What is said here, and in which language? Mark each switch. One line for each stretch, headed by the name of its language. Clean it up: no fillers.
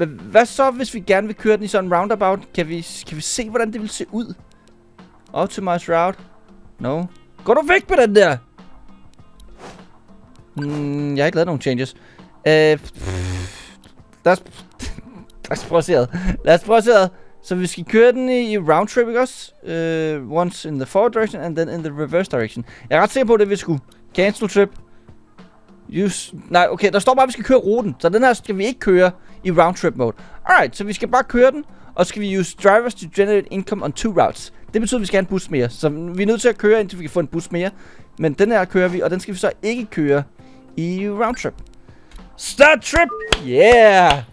Danish: Hvad så, hvis vi gerne vil køre den i sådan en roundabout? Kan vi se, hvordan det vil se ud?
English: Optimize route. No.
Danish: Går du væk med den der? Jeg har ikke lavet nogen changes. Lad os prøve at se. Så vi skal køre den i roundtrip, ikke også?
English: Once in the forward direction, and then in the reverse direction.
Danish: Jeg er ret sikker på, det vi skulle.
English: Cancel trip.
Danish: Der står bare, at vi skal køre ruten. Så den her skal vi ikke køre i roundtrip mode.
English: Alright,
Danish: så vi skal bare køre den. Og så skal vi
English: use drivers to generate income on two routes.
Danish: Det betyder, at vi skal have en bus mere. Så vi er nødt til at køre, indtil vi kan få en bus mere. Men den her kører vi, og den skal vi så ikke køre i roundtrip.
English: Start trip! Yeah!